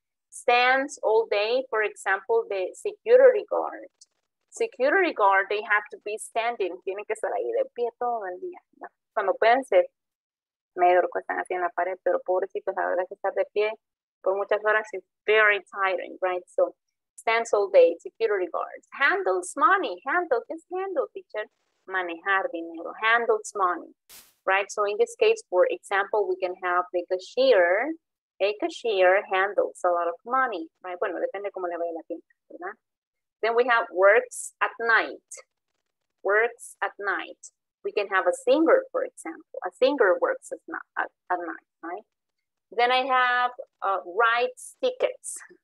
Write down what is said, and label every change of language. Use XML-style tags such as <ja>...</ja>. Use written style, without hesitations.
<en>Stands all day, for example, the security guard. Security guard, they have to be standing.</en> <es>Tienen que estar ahí de pie todo el día. Cuando pueden ser, mejor que están así en la pared, pero pobrecitos, la verdad es que estar de pie por muchas horas</es> <en>is very tiring,</en> <es>right?</es> <en>So, stands all day, security guards. Handles money. Handle,</en> <es>¿qué es handle,</es> <en>teacher?</en> <es>Manejar dinero.</es> <en>Handles money. Right, so in this case, for example, we can have the cashier. A cashier handles a lot of money, right?</en> <es>Bueno, depende cómo le vaya la tienda, ¿verdad?</es> <en>Then we have works at night. We can have a singer, for example. A singer works at night, right? Then I have writes tickets.</en>